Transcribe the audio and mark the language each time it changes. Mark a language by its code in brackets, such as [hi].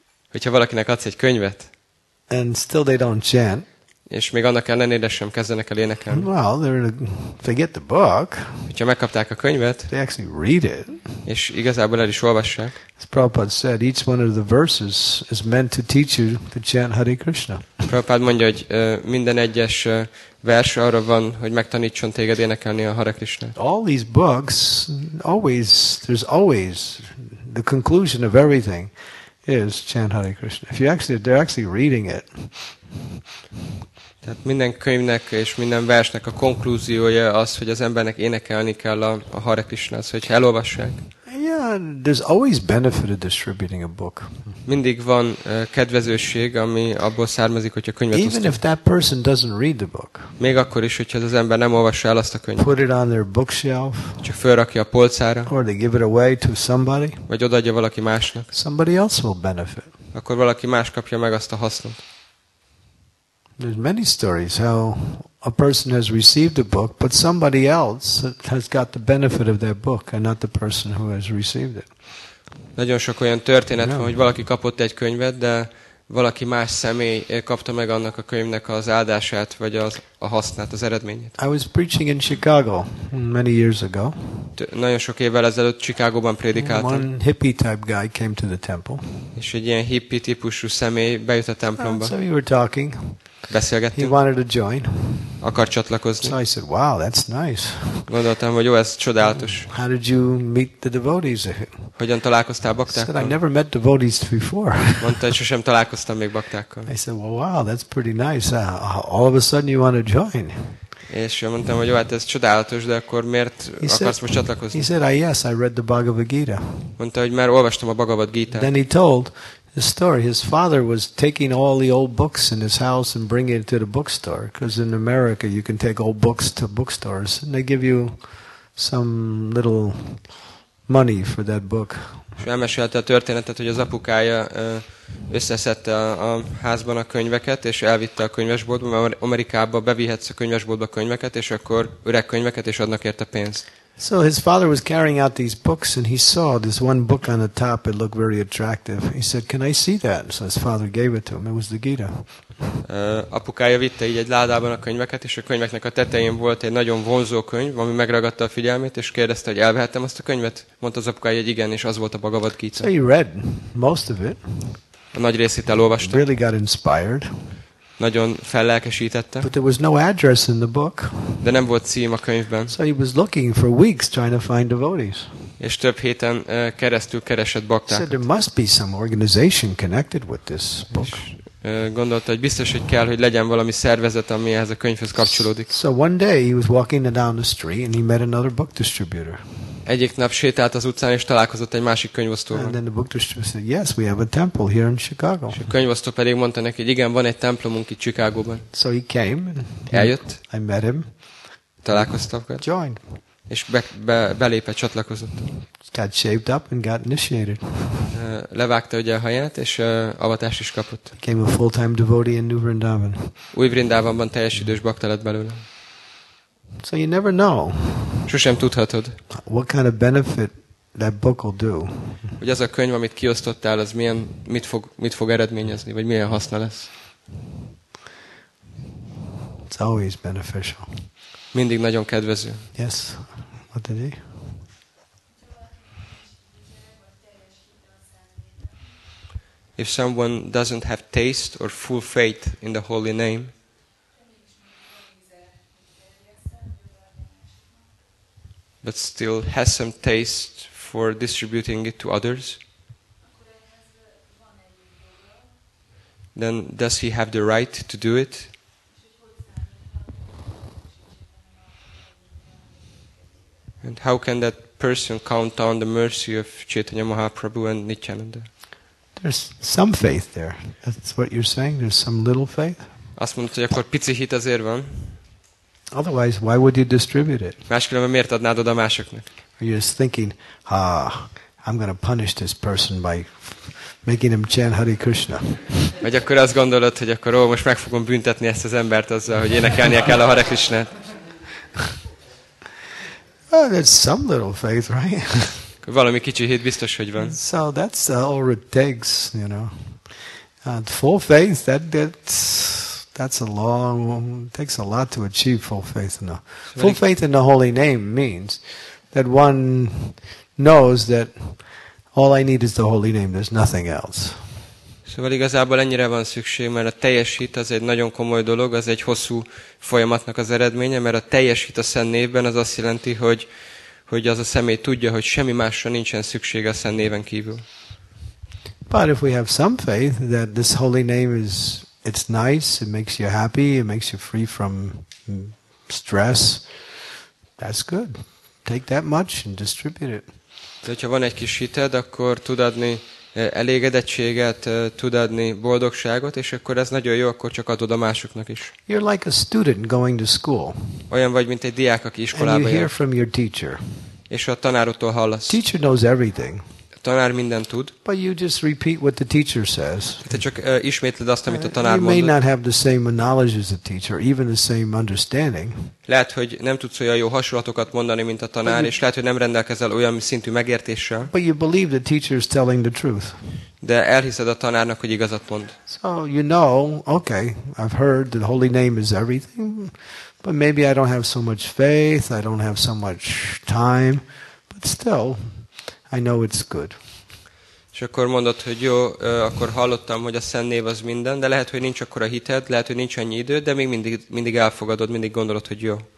[hu] hogyha valakinek adsz egy könyvet, [en] and still they don't chant, [hu] és még annak ellenére sem kezdenek el énekelni, [en] well, they get the book, [hu] hogyha megkapták a könyvet, [en] they actually read it, [hu] és igazából el is olvassák. [en] As Prabhupada said, each one of the verses is meant to teach you to chant Hare Krishna. [hu] Prabhupada mondja, hogy minden egyes vers arra van, hogy megtanítson téged énekelni a Hare Krishnát. [en] All these books, always, there's always the conclusion of everything is chant Hare Krishna. If you actually, they're actually reading it. [hu] Tehát minden könyvnek és minden versnek a konklúziója az, hogy az embernek énekelni kell a Hare Krishna, az, hogy elolvassák. [en] Yeah, there's always benefit of distributing a book. [hu] Mindig van kedvezőség, ami abból származik, hogyha könyvet osztunk. [en] Even if that person doesn't read the book. [hu] Még akkor is, hogyha az ember nem olvassa el azt a könyvet. [en] Put it on their bookshelf. [hu] Csak felrakja a polcára. [en] Or they give it away to somebody. [hu] Vagy odaadja valaki másnak. [en] Somebody else will benefit. [hu] Akkor valaki más kapja meg azt a hasznot. [en] There's many stories how a person has received a book, but somebody else has got the benefit of that book and not the person who has received it. [hu] Nagyon sok olyan történet van, hogy valaki kapott egy könyvet, de valaki más személy kapta meg annak a könyvnek az áldását, vagy az a hasznát, az eredményét. [en] I was preaching in Chicago many years ago. [hu] Nagyon sok évvel ezelőtt Chicagóban prédikáltam. [en] One hippie type guy came to the temple. [hu] És egy ilyen hippie típusú személy bejött a templomba. [en] So we were talking. [hu] Beszélgettünk. [en] He wanted to join. [hu] Akar csatlakozni. [en] So I said, wow, that's nice. [hu] Gondoltam, hogy jó, ez csodálatos. [en] How did you meet the devotees? [hu] Hogyan találkoztál baktákkal? [en] I said, I never met devotees before. [hu] Mondta, hogy sosem találkoztam még baktákkal. [en] I said, well, wow, that's pretty nice. All of a sudden you want to join. [hu] És mondtam, hogy jó, hát ez csodálatos, de akkor miért akarsz most csatlakozni? [en] He said, yes, I read the Bhagavad Gita. [hu] Mondta, hogy már olvastam a Bhagavad Gita. [en] Then he told the story. His father was taking all the old books in his house and bringing it to the bookstore. Because in America, you can take old books to bookstores and they give you some little money for that book. [hu] És elmesélte a történetet, hogy az apukája összeszedte a házban a könyveket, és elvitte a könyvesboltba, mert Amerikába bevihetsz a könyvesboltba könyveket, és akkor öreg könyveket, és adnak érte pénzt. [en] So his father was carrying out these books and he saw this one book on the top. It looked very attractive. He said, "Can I see that?" So his father gave it to him. It was the Gita. [hu] Apukája vitte így egy ládában a könyveket, és a könyveknek a tetején volt egy nagyon vonzó könyv, ami megragadta a figyelmét, és kérdezte, hogy elvehettem azt a könyvet. Mondta az apukája, hogy igen, és az volt a Bhagavad Gita. [en] So he read most of it. [hu] A nagy részét elolvasta. [en] Really got inspired. [hu] Nagyon fellelkesítette. [en] But there was no address in the book. [hu] De nem volt cím a könyvben. [en] So he was looking for weeks trying to find devotees. [hu] És több héten keresztül keresett baktákat. [en] So there must be some organization connected with this book. [hu] Gondolta, hogy biztos, hogy kell, hogy legyen valami szervezet, ami ehhez a könyvhez kapcsolódik. [en] So one day he was walking down the street and he met another book distributor. [hu] Egyik nap sétált az utcán és találkozott egy másik könyvosztóval. [en] And then the book distributor said, "Yes, we have a temple here in Chicago." [hu] A könyvosztó pedig mondta neki, hogy igen, van egy templomunk itt Chicagóban. [en] So he came and [hu] eljött. [en] I met him. [hu] Találkoztam vele. [en] Joined. [hu] És belépett, csatlakozott. [en] Got shaved up and got initiated. [hu] Levágta ugye a haját, és avatást is kapott. [en] Became a full-time devotee in New Vrindavan. [hu] Új Vrindavanban teljes idős bakta lett belőle. [en] So you never know. [hu] Sosem tudhatod. [en] What kind of benefit that book will do? [hu] Hogy az a könyv, amit kiosztottál, az milyen, mit fog eredményezni, vagy milyen haszna lesz? [en] It's always beneficial. [hu] Mindig nagyon kedvező. [en] Yes. What did he? If someone doesn't have taste or full faith in the holy name, but still has some taste for distributing it to others, then does he have the right to do it? And how can that person count on the mercy of Chaitanya Mahaprabhu and Nityananda? There's some faith there. That's what you're saying? There's some little faith? [hu] Azt mondta, hogy akkor pici hit azért van. [en] Otherwise, why would you distribute it? [hu] Máskülönben miért adnád oda másoknak? [en] Are you just thinking, I'm going to punish this person by making him chant Hare Krishna? [hu] Vagy akkor azt gondolod, hogy akkor most meg fogom büntetni ezt az embert azzal, hogy énekelnie kell a Hare Krishna? [en] Oh, there's some little faith, right? [hu] Valami kicsi hit biztos, hogy van. [en] So that's all it takes, you know. And full faith, that's a long, takes a lot to achieve full faith. In the, full faith in the holy name means that one knows that all I need is the holy name, there's nothing else. [hu] Szóval igazából ennyire van szükség, mert a teljes hit az egy nagyon komoly dolog, az egy hosszú folyamatnak az eredménye, mert a teljes hit a Szent Névben az azt jelenti, hogy az a személy tudja, hogy semmi másra nincsen szüksége a Szent Néven kívül. [en] Prabhupada, if we have some faith that this holy name is, it's nice, it makes you happy, it makes you free from stress, that's good. Take that much and distribute it. [hu] De hogyha van egy kis hited, akkor tud adni elégedettséget, tud adni boldogságot, és akkor ez nagyon jó, akkor csak adod a másoknak is. [en] You're like a student going to school. [hu] Olyan vagy, mint egy diák, aki iskolába jár. [en] And you hear from your teacher. [hu] És a tanárodtól hallasz. [en] Teacher knows everything. [hu] A tanár mindent tud. [en] But you just repeat what the teacher says. [hu] Te csak ismétled azt, amit a tanár mond. [en] You may not have the same knowledge as the teacher, even the same understanding. [hu] Lehet, hogy nem tudsz olyan jó hasonlatokat mondani, mint a tanár, és lehet, hogy nem rendelkezel olyan szintű megértéssel. [en] But you believe the teacher is telling the truth. [hu] De elhiszed a tanárnak, hogy igazat mond. [en] So you know, okay, I've heard that the holy name is everything. But maybe I don't have so much faith, I don't have so much time, but still, I know it's good. [hu] És akkor mondod, hogy jó, akkor hallottam, hogy a Szent Név az minden, de lehet, hogy nincs akkora hited, lehet, hogy nincs annyi idő, de még mindig elfogadod, mindig gondolod, hogy jó.